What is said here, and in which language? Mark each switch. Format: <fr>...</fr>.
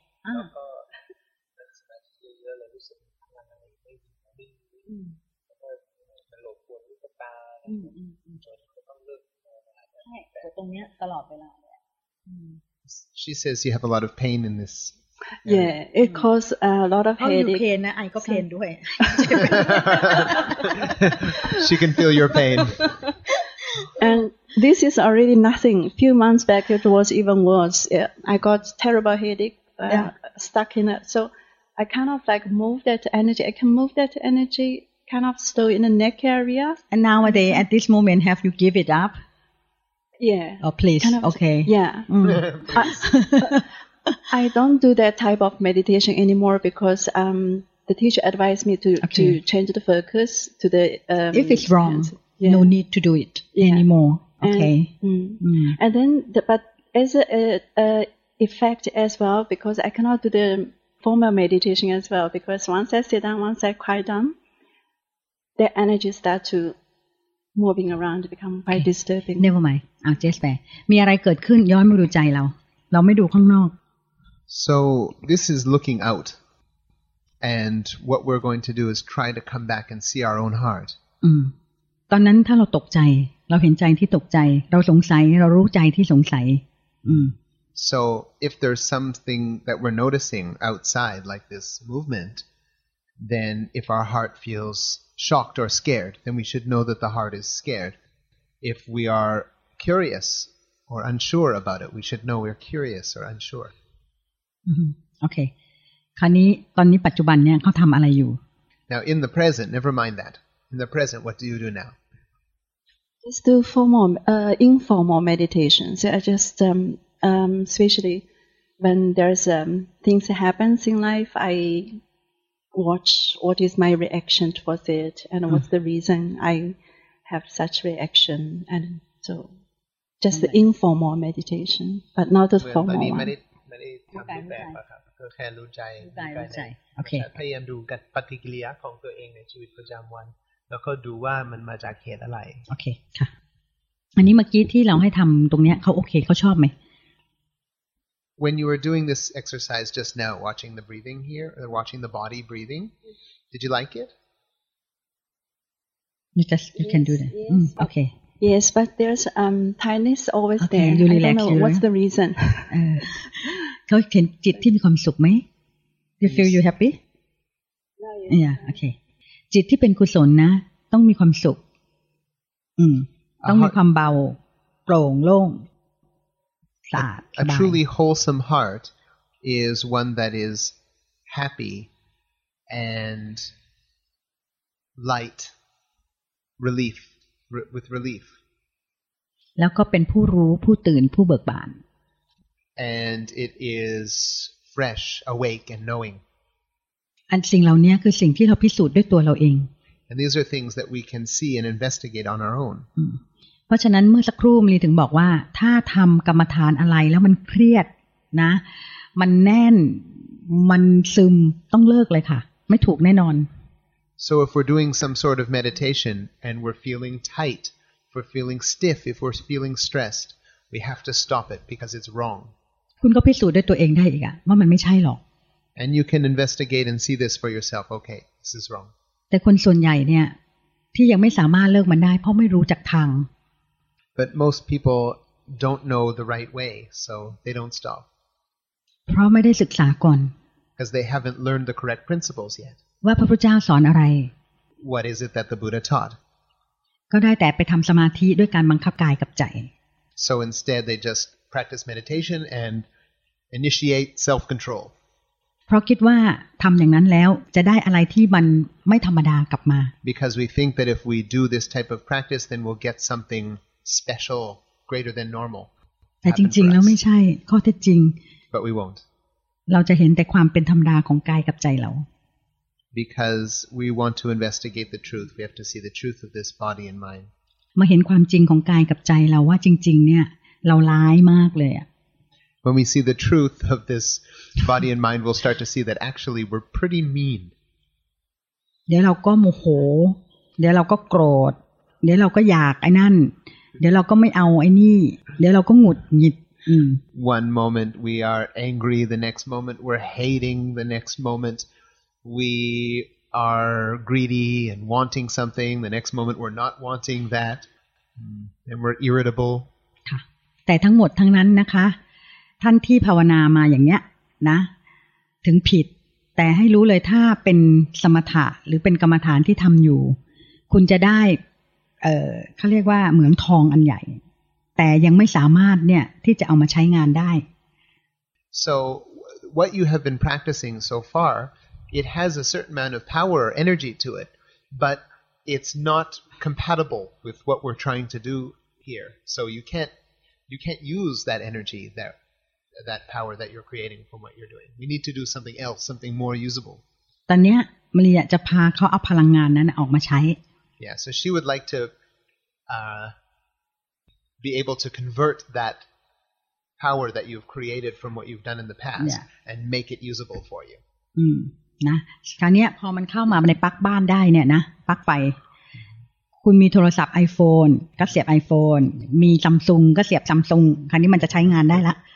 <th>แล้วก็นั่งสมาธิเยอะๆเลยรู้สึกพลังอะไรไม่ดีไม่ดีแล้วก็มันหลบควนลูกตาจนก็ต้องเลิก ใช่ตรงเนี้ยตลอดเวลาเนี่ย</th> <en>She says you have a lot of pain in this Yeah, it caused a lot of headache. Oh, you pain, I got pain too. She can feel your pain. And this is already nothing. A few months back, it was even worse. Yeah, I got terrible headache, stuck in it. So I kind of like move that energy. I can move that energy kind of still in the neck area. And nowadays, at this moment, have you give it up? Yeah. Oh, please. Kind of, okay. Yeah. Mm. I don't do that type of meditation anymore because the teacher advised me to change the focus to the... If it's wrong, yeah. No need to do it anymore. Okay. And then, but as a effect as well, because I cannot do the formal meditation as well, because once I sit down, once I quiet down, the energy starts to moving around, become quite disturbing. Never mind. I'll just bear.</en> <th>มีอะไรเกิดขึ้นย้อนมาดูใจเราเราไม่ดูข้างนอก</th> <en>So this is looking out, and what we're going to do is try to come back and see our own heart.</en> <th>ตอนนั้นถ้าเราตกใจเราเห็นใจที่ตกใจเราสงสัยเรารู้ใจที่สงสัย</th> <en>So if there's something that we're noticing outside, like this movement, then if our heart feels shocked or scared, then we should know that the heart is scared. If we are curious or unsure about it, we should know we're curious or unsure.</en> <th>โอเคคราวนี้ตอนนี้ปัจจุบันเนี่ยเขาทำอะไรอยู่</th> <en>Now in the present, never mind that. In the present, what do you do now? Just do formal, informal meditation. So I just, especially when there's things that happens in life, I watch what is my reaction towards it and what's the reason I have such reaction. And so just the informal meditation, but not the formal one.</en> <th>ทำแบบก็แค่รู้ใจ รู ้ใจโอเค พยายามดูกับปฏิกิริยาของตัวเองในชีวิตประจำวันแล้วก็ดูว่ามันมาจากเหตุอะไร โอเคค่ะอันนี้เมื่อกี้ที่เราให้ทำตรงเนี้ยเขาโอเคเขาชอบไหม</th> <en>When you were doing this exercise just now watching the breathing here or watching the body breathing did you like it you can do that okay yes but there's tiredness always okay, there you I don't like know what's the reason</en> <th>เขาเห็นจิตที่มีความสุขไหม</th> <en>You feel you happy? Yeah, okay.</en> <th>จิตที่เป็นกุศลนะต้องมีความสุขต้องมีความเบาโปร่งโล่งสะอาดสบาย</th> <en>A truly wholesome heart is one that is happy and light, relief, with relief.</en> <th>แล้วก็เป็นผู้รู้ผู้ตื่นผู้เบิกบาน</th> <en>And it is fresh, awake, and knowing.</en> <th>And สิ่งเหล่านี้คือสิ่งที่เราพิสูจน์ด้วยตัวเราเอง</th> <en>And these are things that we can see and investigate on our own.</en> <th>เพราะฉะนั้นเมื่อสักครู่มีถึงบอกว่าถ้าทำกรรมฐานอะไรแล้วมันเครียดนะมันแน่นมันซึมต้องเลิกเลยค่ะไม่ถูกแน่นอน</th> <en>So if we're doing some sort of meditation and we're feeling tight, if we're feeling stiff, if we're feeling stressed, we have to stop it because it's wrong.</en> <th>คุณก็พิสูจน์ด้วยตัวเองได้อีกอะว่ามันไม่ใช่หรอก</th> <en>And you can investigate and see this for yourself. Okay, this is wrong.</en> <th>แต่คนส่วนใหญ่เนี่ยที่ยังไม่สามารถเลิกมันได้เพราะไม่รู้จักทาง</th> <en>But most people don't know the right way, so they don't stop.</en> <th>เพราะไม่ได้ศึกษาก่อน</th> <en>Because they haven't learned the correct principles yet.</en> <th>ว่าพระพุทธเจ้าสอนอะไร</th> <en>What is it that the Buddha taught?</en> <th>ก็ได้แต่ไปทำสมาธิด้วยการบังคับกายกับใจ</th> <en>So instead, they justpractice meditation and initiate self control</en> <th>เพราะคิดว่าทำอย่างนั้นแล้วจะได้อะไรที่มันไม่ธรรมดากลับมา</th> <en>because we think that if we do this type of practice then we'll get something special greater than normal</en> <th>แต่จริงๆแล้วไม่ใช่ข้อเท็จจริง</th> <en>but we won't</en> <th>เราจะเห็นแต่ความเป็นธรรมดาของกายกับใจเรา</th> <en>because we want to investigate the truth we have to see the truth of this body and mind</en> <th>มาเห็นความจริงของกายกับใจเราว่าจริงๆเนี่ยเราร้ายมากเลยอ่ะ</th> <en>When we see the truth of this body and mind we'll start to see that actually we're pretty mean</en> <th>เดี๋ยวเราก็โมโหเดี๋ยวเราก็โกรธเดี๋ยวเราก็อยากไอ้นั่นเดี๋ยวเราก็ไม่เอาไอ้นี่เดี๋ยวเราก็หงุดหงิด</th> <en>One moment we are angry, the next moment we're hating, the next moment we are greedy and wanting something, the next moment we're not wanting that, and we're irritable.</en> <th>แต่ทั้งหมดทั้งนั้นนะคะท่านที่ภาวนามาอย่างเงี้ยนะถึงผิดแต่ให้รู้เลยถ้าเป็นสมถะหรือเป็นกรรมฐานที่ทำอยู่คุณจะได้เขาเรียกว่าเหมือนทองอันใหญ่แต่ยังไม่สามารถเนี่ยที่จะเอามาใช้งานได้</th> <en>So what you have been practicing so far it has a certain amount of power or energy to it but it's not compatible with what we're trying to do here so you can't use that energy that power that you're creating from what you're doing. We need to do something else, something more usable.</en> <th>ตอนนี้มาริยาจะพาเขาเอาพลังงานนั้นออกมาใช้</th> <en>Yeah, so she would like to be able to convert that power that you've created from what you've done in the past yeah. and make it usable for you.</en> <th>นะคราวนี้พอมันเข้ามาในปลั๊กบ้านได้เนี่ยนะปลั๊กไฟคุณมีโทรศัพท์ iPhone ก็เสียบ iPhone มี Samsung ก็เสียบ Samsung คราวนี้มันจะใช้งานได้ละ</th>